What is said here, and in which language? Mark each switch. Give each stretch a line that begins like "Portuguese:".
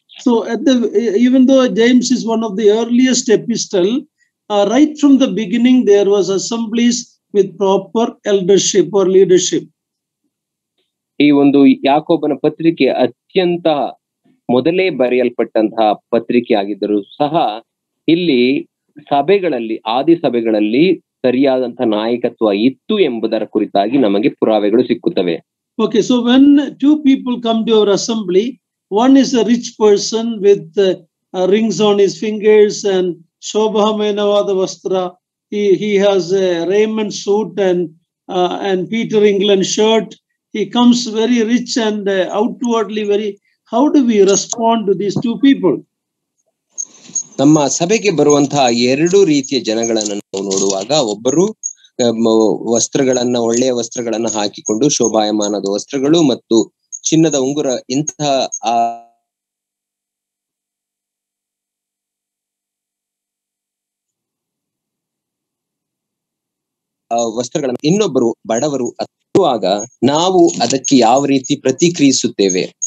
English: So even though James is one of the earliest epistle, right from the beginning there was assemblies with proper eldership or leadership.
Kannada: ಈ ಒಂದು ಯಾಕೋಬನ ಪತ್ರಿಕೆ ಅತ್ಯಂತ ಮೊದಲೇ ಬರೆಯಲ್ಪಟ್ಟಂತಹ ಪತ್ರಿಕೆ ಆಗಿದ್ದರೂ ಸಹ ಇಲ್ಲಿ ಸಭೆಗಳಲ್ಲಿ, ಆದಿ ಸಭೆಗಳಲ್ಲಿ ಸರಿಯಾದಂತಹ ನಾಯಕತ್ವ ಇತ್ತು ಎಂಬುದರ ಕುರಿತಾಗಿ ನಮಗೆ ಪುರಾವೆಗಳು ಸಿಕ್ಕುತ್ತವೆ.
English: Okay, so when two people come to our assembly, one is a rich person with rings on his fingers and
Kannada: shobhamayanavada vastra.
English: He has a raiment suit and Peter England shirt. He comes very rich and outwardly very. How do we respond to these two people?
Kannada: ನಮ್ಮ ಸಭೆಗೆ ಬರುವಂತಹ ಎರಡು ರೀತಿಯ ಜನಗಳನ್ನು ನಾವು ನೋಡುವಾಗ, ಒಬ್ಬರು ವಸ್ತ್ರಗಳನ್ನ, ಒಳ್ಳೆಯ ವಸ್ತ್ರಗಳನ್ನ ಹಾಕಿಕೊಂಡು, ಶೋಭಾಯಮಾನದ ವಸ್ತ್ರಗಳು ಮತ್ತು ಚಿನ್ನದ ಉಂಗುರ ಇಂತಹ ವಸ್ತ್ರಗಳನ್ನು, ಇನ್ನೊಬ್ಬರು ಬಡವರು ಆಗ ನಾವು ಅದಕ್ಕೆ ಯಾವ ರೀತಿ ಪ್ರತಿಕ್ರಿಯಿಸುತ್ತೇವೆ?